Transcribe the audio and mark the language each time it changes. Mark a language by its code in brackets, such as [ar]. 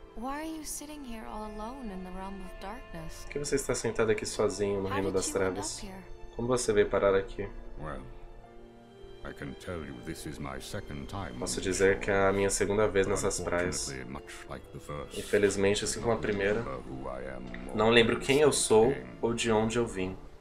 [en] Why are you sitting here all alone in the realm of darkness? [pt] Por que você está sentado aqui sozinho no reino das trevas? Como você veio parar aqui? [en] Well, I can tell you this is my second time. [pt] Posso dizer que é a minha segunda vez nessas praias. Infelizmente, assim como a primeira, não lembro quem eu sou ou de onde eu vim.